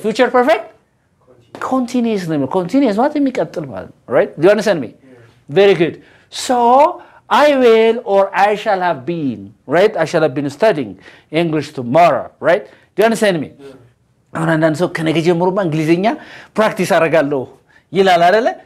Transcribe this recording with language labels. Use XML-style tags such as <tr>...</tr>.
<am>future perfect continuous ነው የሚለው። continuous ማለት የሚቀጥል ማለት ነው። right?</am> <en>do you understand me? Yeah. very good. so I will or I shall have been, right? I shall have been studying English tomorrow, right? Do you understand me?</en> <am>አሁን አንዳንድ ሰው ከነገ ጀምሮ እንግሊዝኛ ፕራክቲስ አደርጋለሁ ይላል አይደለ?</am>